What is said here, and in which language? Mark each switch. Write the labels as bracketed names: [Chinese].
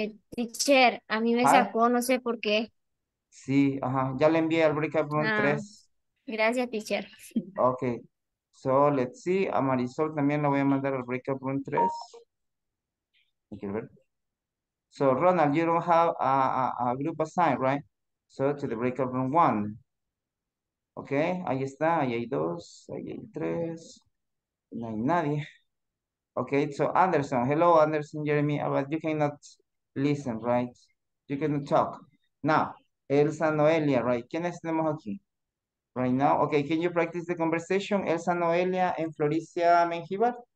[Spanish] teacher, a mí me sacó, no sé por qué. Sí, ajá, ya le envié al breakout room 3. Gracias, teacher. Ok, [English] so let's see, [Spanish] a Marisol también la voy a mandar al breakout room 3. [English] So Ronald, you don't have a group assigned, right? So to the breakout room 1. [Spanish] Ok, ahí está, ahí hay 2, ahí hay 3, no hay nadie. [English] Ok, so Anderson, hello Anderson, Jeremy, but you cannot listen, right? You cannot talk. Now, Elsa Noelia, right? [Spanish] ¿Quiénes tenemos aquí? [English] Right now, okay, can you practice the conversation? Elsa Noelia and Floricia Mengíbar?